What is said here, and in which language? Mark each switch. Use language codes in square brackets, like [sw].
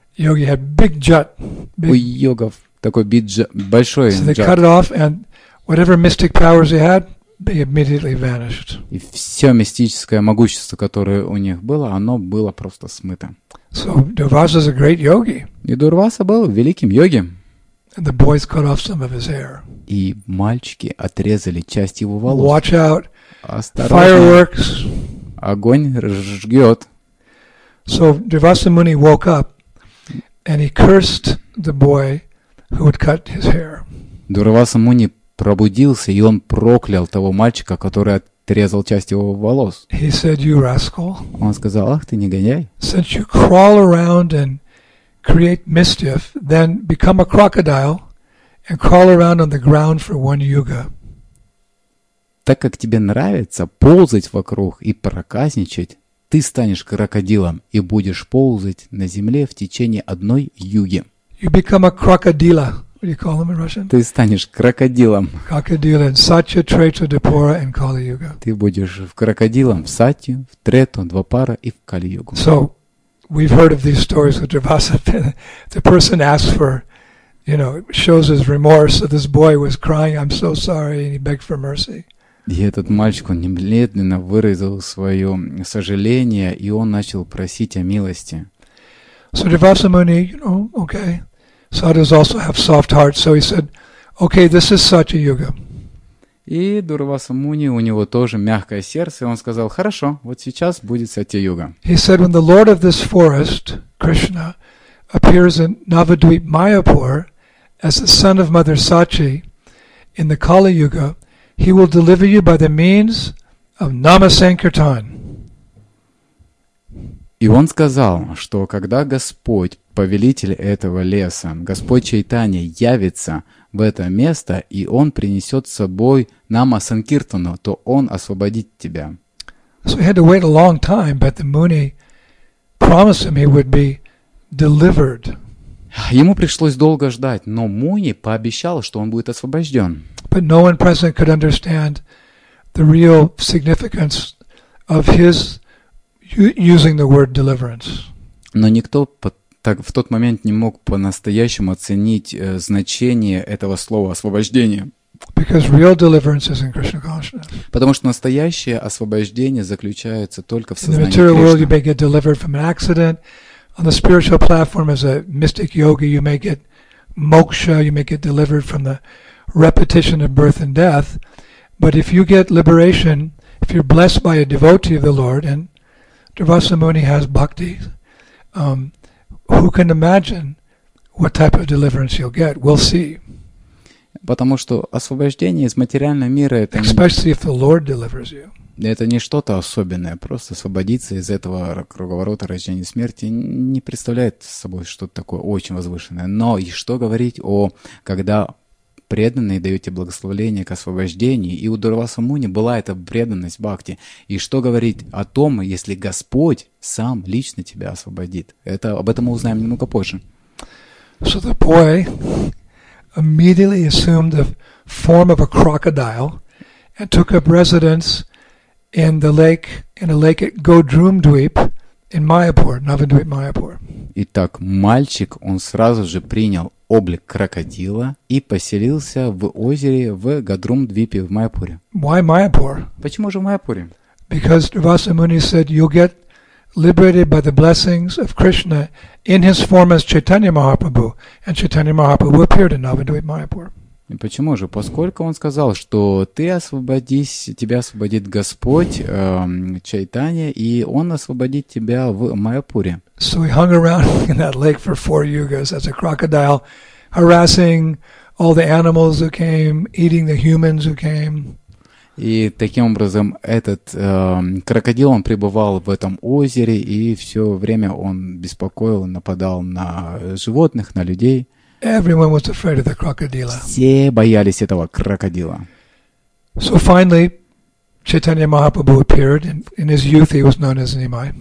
[en] Yogi had big jut. [ru] У йогов такой большой jut. [en] So they cut it off and whatever mystic powers he had, they immediately vanished. [ru] И все мистическое могущество, которое у них было, оно было просто смыто. [en] So Durvasa is a great yogi. [ru] И Дурваса был великим йоги. [en] And the boys cut off some of his hair. [ru] И мальчики отрезали часть его волос. [en] Watch out! [ru] Осторожно. [en] Fireworks! [ru] Огонь жжет. [en] So Durvasamuni woke up, And he cursed the boy who had cut his hair. [ru] Дурвасса Муни пробудился, и он проклял того мальчика, который отрезал часть его волос. [en] He said, "You rascal." [ru] Он сказал: "Ах ты негодяй!" [en] Since you crawl around and create mischief, then become a crocodile and crawl around on the ground for one yuga. [ru] Так как тебе нравится ползать вокруг и проказничать, ты станешь крокодилом и будешь ползать на земле в течение одной юги. [en] You become a crocodile. What do you call them in Russian? [ru] Ты станешь крокодилом. [en] Crocodile in Satya, Treta, Dvapara and Kali Yuga. [ru] Ты будешь в крокодилом в Сатью, в Трету, Двапара и в Кали Югу. [en] So, we've heard of these stories with Dvapara. The person asks for, you know, shows his remorse. So this boy was crying, "I'm so sorry," and he begged for mercy. [ru] И этот мальчик, он немедленно выразил свое сожаление, и он начал просить о милости. [en] So Dvapara Muni, you know, okay. Sadhus also have soft hearts, so he said, "Okay, this is Satya Yuga." [ru] И Дурвасса Муни, у него тоже мягкое сердце, и он сказал: "Хорошо, вот сейчас будет Сатья Юга." [en] He said, "When the Lord of this forest, Krishna, appears in Navadvip Mayapur as the son of Mother Sachi in the Kali Yuga, he will deliver you by the means of Nama Sankirtan." [ru] И он сказал, что когда Господь, повелитель этого леса, Господь Чайтанья, явится в это место, и он принесет с собой Нама Санкиртану, то он освободит тебя. [en] So he had to wait a long time, but the Muni promised him he would be delivered. [ru] Ему пришлось долго ждать, но Муни пообещал, что он будет освобожден. [en] But no one present could understand the real significance of his using the word deliverance. [ru] Но никто так в тот момент не мог по-настоящему оценить значение этого слова освобождение. [en] Because real deliverance is in Krishna consciousness. [ru] Потому что настоящее освобождение заключается только в сознании [en] Кришны. In the material world you may get delivered from an accident. On the spiritual platform as a mystic yogi you may get moksha, you may get delivered from the repetition of birth and death. But if you get liberation, if you're blessed by a devotee of the Lord and Dvapara Muni has bhakti, who can imagine what type of deliverance you'll get? We'll see. [ru] Потому что освобождение из материального мира это [en] especially if the Lord delivers you. [ru] Это не что-то особенное, просто освободиться из этого круговорота рождения и смерти не представляет собой что-то такое очень возвышенное. Но и что говорить о когда преданные даете благословение к освобождению, и у Дурвасса Муни была эта преданность бхакти. И что говорить о том, если Господь сам лично тебя освободит? Это, об этом мы узнаем немного позже. [en] So the boy immediately assumed the form of a crocodile and took up residence in the lake, in a lake at Godrumdweep in Mayapur, Navadvip Mayapur. [ru] Итак, мальчик, он сразу же принял облик крокодила и поселился в озере в Годрумдвипе в Майяпуре. [en] Why Mayapur? [ru] Почему же в Майяпуре? [en] Because Dvapara Muni said you'll get liberated by the blessings of Krishna in his form as Chaitanya Mahaprabhu, and Chaitanya Mahaprabhu appeared in Navadvip Mayapur. [ru] И почему же? Поскольку он сказал, что ты освободись, тебя освободит Господь Чайтанья, и он освободит тебя в Майяпуре. [en] So he hung around in that lake for four yugas as a crocodile, harassing all the animals who came, eating the humans who came. [ru] И таким образом этот крокодил, он пребывал в этом озере, и все время он беспокоил, нападал на животных, на людей. [en] Everyone was afraid of the crocodile. [ru] Все боялись этого крокодила. [en] So finally, Chaitanya Mahaprabhu appeared, and in his youth he was known as Nimai.